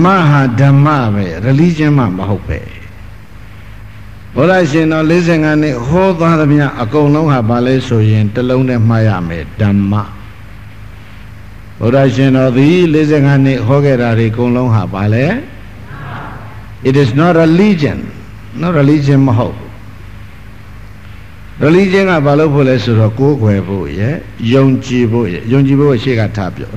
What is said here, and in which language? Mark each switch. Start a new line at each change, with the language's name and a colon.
Burmese: အဲ့ဒါကြောင့်ဒီကနေ့စကားဆက်ပြီးတော့တစ်ချက်တည်းပြောချင်ပါတယ်မြတ်ဗုဒ္ဓရဲ့ဓမ္မကိုဘုန်းကြီးတို့ဟောတဲ့ပွဲတွေမှာအမျိုးစားကိုယ်ွယ်တဲ့ဘာသာလူမျိုးအသားအယောင်အာမမခွဲနဲ့ဘယ်သူကိုမဆိုလှိုက်လဲလဲဖိတ်ပါတယ်နားထောင်ရင်းဖြင့်ဘယ်သူမှမနစ်နာဘူးဘာမှလည်းမထိတ်ကဲဓမ္မဟာဓမ္မပဲ religion မှမဟုတ်ပဲ ဘုရားရှင်တော်45နှစ်ဟောသွားသမျှအကုန်လုံးဟာဘာလဲဆိုရင်တစ်လုံးနဲ့မှားရမယ်ဓမ္မဘုရားရှင်တော်ဒီ45နှစ်ဟောခဲ့တာတွေအကုန်လုံးဟာဘာလဲ
English: It is not religion not religion
Burmese: မဟုတ်ဘူးရလီဂျင်ကဘာလို့ဖွင့်လဲဆိုတော့ကိုးကွယ်ဖို့ရယုံကြည်ဖို့ရယုံကြည်ဖို့အရှိကထားပြော